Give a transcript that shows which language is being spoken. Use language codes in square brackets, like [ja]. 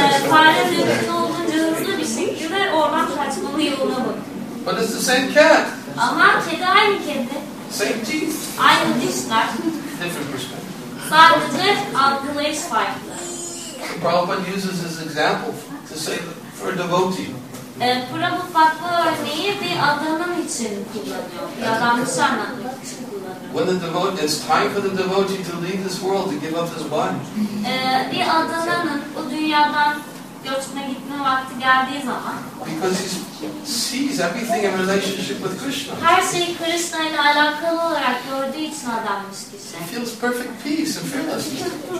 [tr] Fare mümkün olduğunca hızlı bir şekilde orman kaçmalı yoluna bakıyor. [en] But it's the same cat. [tr] Ama kedi aynı kedi. [en] Same teeth. [tr] Aynı dişler. [en] Different perspective. [tr] Sadece algılayış farklı. [en] Prabhupada uses his example to say for a devotee. [tr] Prabhupada bu örneği bir adamın için kullanıyor. Bir adamı anlatıyor. [en] When the devotee, it's time for the devotee to leave this world, to give up his body. [tr] Bir adamın bu dünyadan göçmeye gitme vakti geldiği zaman. [en] Because he sees everything in relationship with Krishna. [tr] Her şeyi Krishna ile alakalı olarak gördüğü için adammış kişi. [en] He feels perfect peace and fearlessness.